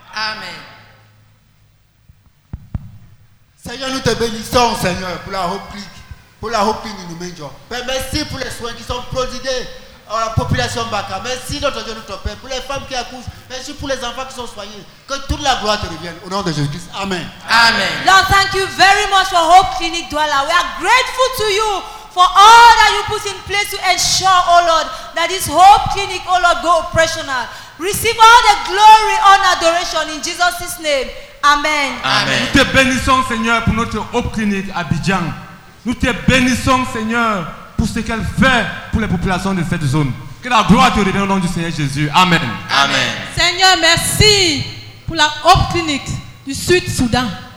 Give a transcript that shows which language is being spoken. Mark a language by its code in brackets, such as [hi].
[fr] Amen. Seigneur, nous te bénissons, Seigneur, pour la Hope Clinic, pour la Hope Clinic nous mangeons. Merci pour les soins qui sont prodigués à la population Baka. Merci, notre Dieu, notre Père, pour les femmes qui accouchent. Merci pour les enfants qui sont soignés. Que toute la gloire te revienne. Au nom de Jésus-Christ. Amen. Amen. [en] Lord, thank you very much for Hope Clinic Douala. We are grateful to you for all that you put in place to ensure, oh Lord, that this Hope Clinic, oh Lord, go operational. Receive all the glory, honor, adoration in Jesus' name. Amen. Amen. [fr] Nous te bénissons, Seigneur, pour notre Hope Clinic Abidjan. Nous te bénissons, Seigneur, pour ce qu'elle fait pour les populations de cette zone. Que la gloire te revienne au nom du Seigneur Jésus. Amen. Amen. Seigneur, merci pour la Hope Clinic du Sud-Soudan.